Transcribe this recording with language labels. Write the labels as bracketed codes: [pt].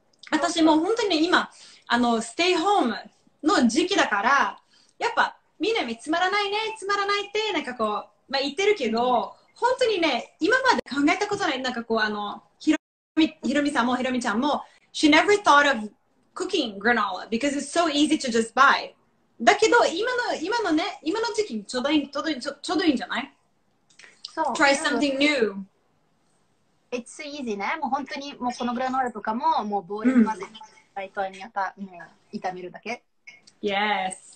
[ja] 私もう本当に今ステイホームの時期だから、やっぱみんなにつまらないってなんかこう、まあ、言ってるけど、本当にね、今まで考えたことない、なんかこうひろみさんもひろみちゃんも、 [en] She never thought of cooking granola because it's so easy to just buy. [ja] だけど今のね、今の時期にちょうどいいんじゃない？そう。 [en] Try something new. It's so easy ね。 [ja] もう本当にもうこのグラノーラとかももうボウルに混ぜて、ライトにやったもう炒めるだけ。 [en] Yes.